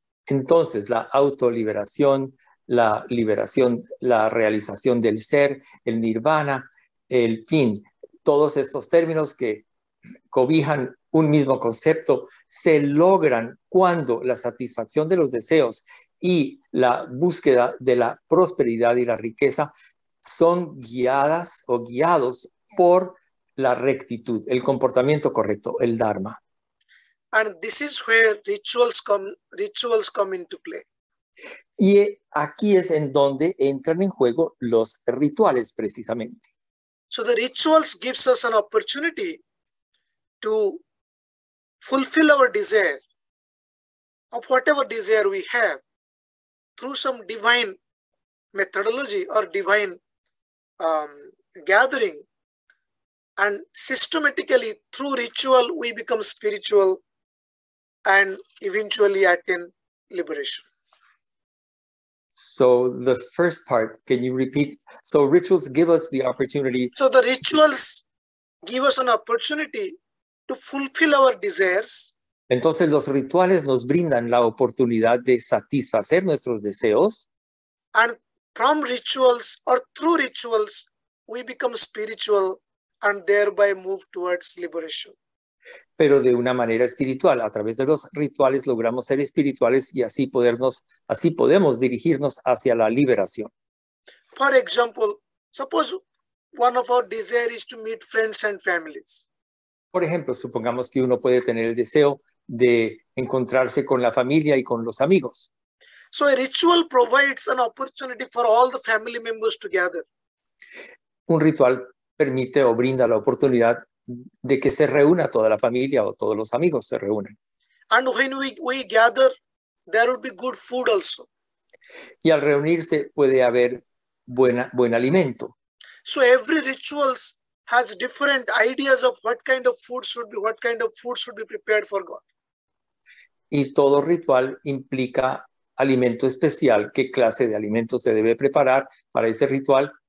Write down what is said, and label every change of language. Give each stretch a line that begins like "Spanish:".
Spanish: Entonces, la autoliberación, la liberación, la realización del ser, el nirvana, el fin, todos estos términos que cobijan un mismo concepto, se logran cuando la satisfacción de los deseos y la búsqueda de la prosperidad y la riqueza son guiadas o guiados por la rectitud, el comportamiento correcto, el dharma.
English: And this is where rituals come into play.
Spanish: Y aquí es en donde entran en juego los rituales, precisamente.
English: So the rituals gives us an opportunity to fulfill our desire of whatever desire we have through some divine methodology or divine gathering, and systematically through ritual we become spiritual and eventually attain liberation. So the first part, can you repeat? So rituals give us the opportunity. So the rituals give us an opportunity to fulfill our desires.
Spanish: Entonces los rituales nos brindan la oportunidad de satisfacer nuestros deseos.
English: And from rituals or through rituals, we become spiritual and thereby move towards liberation.
Spanish: Pero de una manera espiritual, a través de los rituales logramos ser espirituales y así podemos dirigirnos hacia la liberación.
English: For example, suppose one of our desires is to meet friends and families.
Spanish: Por ejemplo, supongamos que uno puede tener el deseo de encontrarse con la familia y con los amigos.
English: So a ritual provides an opportunity for all the family members to gather.
Spanish: Un ritual permite o brinda la oportunidad de que se reúna toda la familia o todos los amigos se reúnen.
English: And when we gather, there will be good food also.
Spanish: Y al reunirse puede haber buen alimento.
English: So every rituals has different ideas of what kind of food should be prepared for God.
Spanish: Y todo ritual implica alimento especial, qué clase de alimento se debe preparar para ese ritual